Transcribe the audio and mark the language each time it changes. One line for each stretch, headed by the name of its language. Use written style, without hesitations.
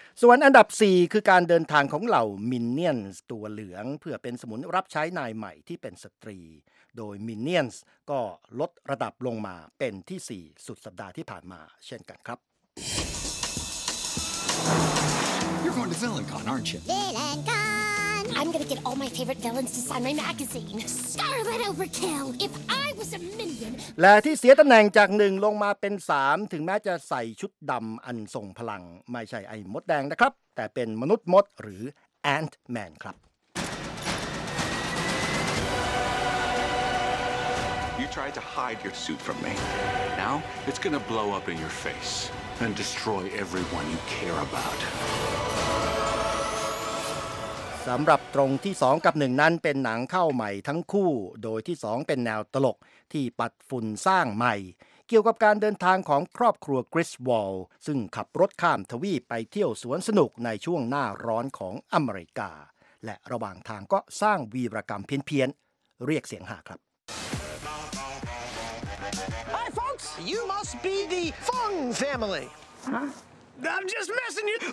Thai: ส่วนอันดับ4คือการเดินทางของเหล่ามินเนียนส์ตัวเหลืองเพื่อเป็นสมุนรับใช้นายใหม่ที่เป็นสตรีโดยมินเนียนส์ก็ลดระดับลงมาเป็นที่4สุดสัปดาห์ที่ผ่านมาเช่นกันครับ
English: You're going to VillainCon, aren't you? VillainCon. I'm gonna get all my favorite villains to sign my magazine. Scarlet Overkill. If I was a minion.
Thai: และที่เสียตำแหน่งจาก1ลงมาเป็น3ถึงแม้จะใส่ชุดดำอันทรงพลังไม่ใช่ไอ้มดแดงนะครับแต่เป็นมนุษย์มดหรือ Ant-Man ครับ
English: You tried to hide your suit from me. Now it's gonna blow up in your face and destroy everyone you care about.
Thai: สำหรับตรงที่2กับ1นั้นเป็นหนังเข้าใหม่ทั้งคู่โดยที่2เป็นแนวตลกที่ปัดฝุ่นสร้างใหม่เกี่ยวกับการเดินทางของครอบครัวคริสวอลซึ่งขับรถข้ามทวีปไปเที่ยวสวนสนุกในช่วงหน้าร้อนของอเมริกาและระหว่างทางก็สร้างวีรกรรมเพี้ยนๆเรียกเสียงฮาครับ
English: Hi folks you must be the Fung family I'm just messing you.